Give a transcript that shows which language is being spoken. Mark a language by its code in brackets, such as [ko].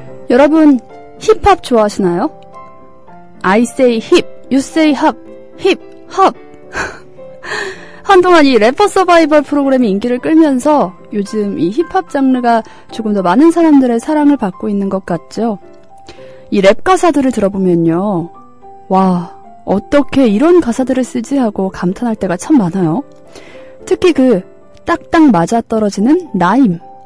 [ko] 여러분 힙합 좋아하시나요? [en] I say hip, you say hop, hip, hop. [ko] 한동안 이 래퍼 서바이벌 프로그램이 인기를 끌면서 요즘 이 힙합 장르가 조금 더 많은 사람들의 사랑을 받고 있는 것 같죠? 이 랩 가사들을 들어보면요. 와, 어떻게 이런 가사들을 쓰지? 하고 감탄할 때가 참 많아요. 특히 그 딱딱 맞아떨어지는 나임.